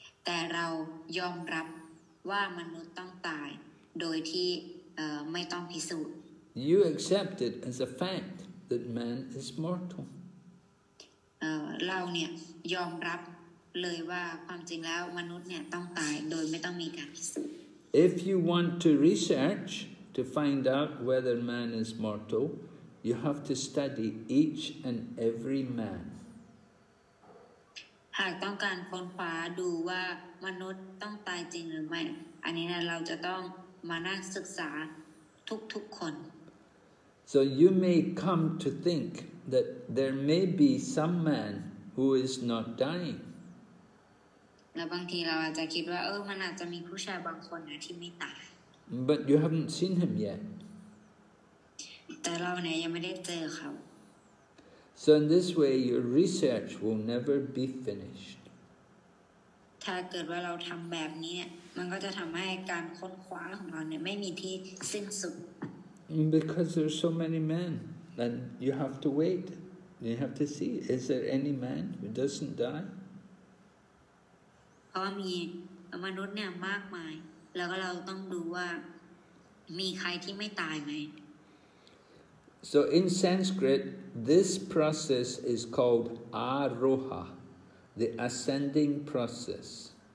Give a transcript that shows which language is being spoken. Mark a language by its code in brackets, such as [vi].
[th] แต่เรายอมรับว่ามนุษย์ต้องตายโดยที่ ไม่ต้องพิสูจน์ [en] You accept it as a fact that man is mortal. [th] เราเนี่ยยอมรับเลยว่าความจริงแล้วมนุษย์เนี่ยต้องตายโดยไม่ต้องมีการพิสูจน์ [en] If you want to research to find out whether man is mortal, you have to study each and every man. [th] หากต้องการค้นคว้าดูว่ามนุษย์ต้องตายจริงหรือไม่อันนี้นะเราจะต้องมานั่งศึกษาทุกๆคน [en] So you may come to think that there may be some man who is not dying [th] และบางทีเราอาจจะคิดว่าเออมันอาจจะมีผู้ชายบางคนนะที่ไม่ตาย [en] But you haven't seen him yet [th] แต่เราเนี่ยยังไม่ได้เจอเขา [en] So in this way, your research will never be finished. [th] ถ้าเกิดว่าเราทำแบบนี้เนี่ยมันก็จะทำให้การค้นคว้าของเราเนี่ยไม่มีที่สิ้นสุด [en] Because there's so many men, then you have to wait. You have to see, is there any man who doesn't die? [th] เพราะมีมนุษย์เนี่ยมากมายแล้วก็เราต้องดูว่ามีใครที่ไม่ตายไหม [en] So in Sanskrit, this process is called Aroha, the ascending process.